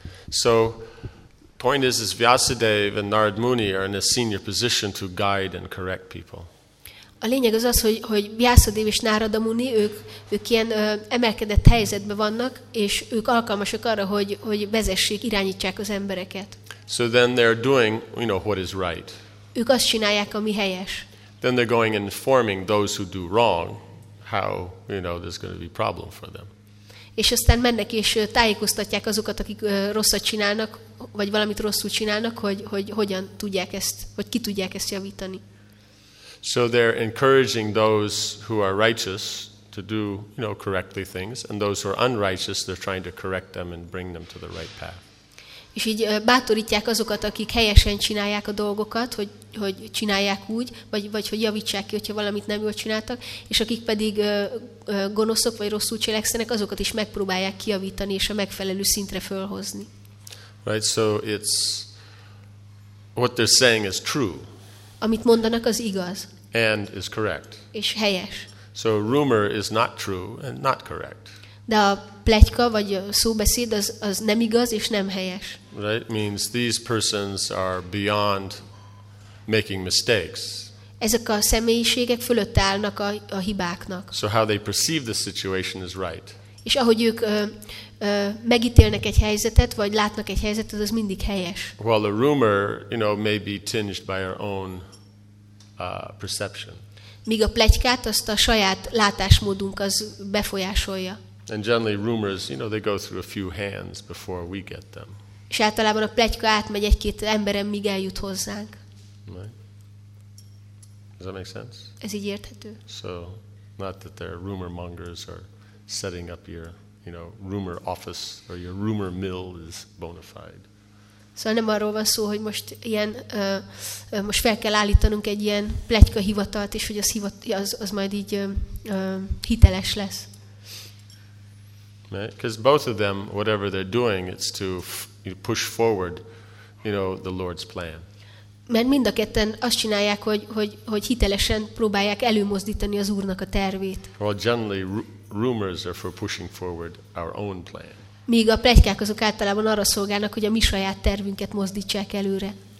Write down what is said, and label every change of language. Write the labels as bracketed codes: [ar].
[en] So, point is Vyasadeva and Narad Muni are in a senior position to guide and correct people. [hu] A lényeg az, hogy Vyasadeva és Narada Muni, ők ilyen emelkedett helyzetben vannak, és ők alkalmasak arra, hogy vezessék, irányítsák az embereket. [en] So then they're doing, you know, what is right. [hu] Ők azt csinálják, ami helyes. [en] Then they're going and informing those who do wrong how, you know, there's going to be problem for them. [hu] És aztán mennek és tájékoztatják azokat, akik rosszat csinálnak, vagy valamit rosszul csinálnak, hogy hogyan tudják ezt, vagy ki tudják ezt javítani. [en] So they're encouraging those who are righteous to do, you know, correctly things, and those who are unrighteous, they're trying to correct them and bring them to the right path. [hu] És így bátorítják azokat, akik helyesen csinálják a dolgokat, hogy csinálják úgy, vagy hogy javítsák ki, hogyha valamit nem jól csináltak, és akik pedig gonoszok, vagy rosszul cselekszenek, azokat is megpróbálják kijavítani, és a megfelelő szintre fölhozni. [en] Right, so it's what they're saying is true. [hu] Amit mondanak, az igaz. [en] And is correct. [hu] És helyes. [en] So a rumor is not true and not correct. [hu] De a pletyka vagy a szóbeszéd az nem igaz és nem helyes. [en] Right, means these persons are beyond making mistakes. [hu] Ezek a személyiségek fölött állnak a hibáknak. [en] So how they perceive the situation is right. [hu] És ahogy ők megítélnek egy helyzetet vagy látnak egy helyzetet, az mindig helyes. [en] Well, a rumor, you know, may be tinged by our own perception. [hu] Míg a pletykát azt a saját látásmódunk az befolyásolja. [en] And generally rumors, you know, they go through a few hands before we get them. [hu] És általában a pletyka átmegy egy-két emberen, míg eljut hozzánk. [en] Right. Does that make sense? [hu] Ez így érthető. [en] So, not that they're rumor mongers or setting up your, you know, rumor office or your rumor mill is bona fide. [hu] Szóval nem arról van szó, hogy most ilyen, most fel kell állítanunk egy ilyen pletyka hivatalt, és hogy az majd így hiteles lesz. [en] Because both of them, whatever they're doing, it's to push forward, you know, the Lord's plan. [hu] Mert mind a ketten azt csinálják, hogy hitelesen próbálják előmozdítani az Úrnak a tervét. [en] Well, generally rumors are for pushing forward our own plan. [hu] Míg a pletykák azok általában arra szolgálnak, hogy a mi saját tervünket mozdítsák előre.